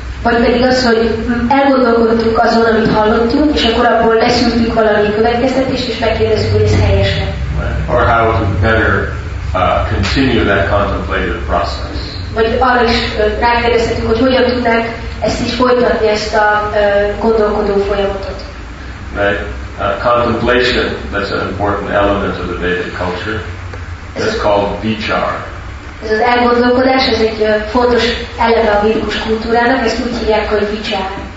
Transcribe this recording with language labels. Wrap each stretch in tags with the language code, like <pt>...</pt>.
<hu>Vagy pedig az, hogy elgondolkodtuk azon, amit hallottunk, és akkor abból leszűrtük valami következtetést, és megkérdeztük, hogy ez helyes-e.</hu> <en>Or how to better continue that contemplative process.</en> <hu>Vagy arra is rákérdeztetünk, hogy hogyan tudnánk ezt így folytatni, ezt a gondolkodó folyamatot.</hu> <en>Right. Contemplation, that's an important element of the Vedic culture. That's called vichar.</en> <hu>Ez az elgondolkodás, ez egy fontos eleme a védikus kultúrának, ezt úgy hívják, hogy vichar.</hu>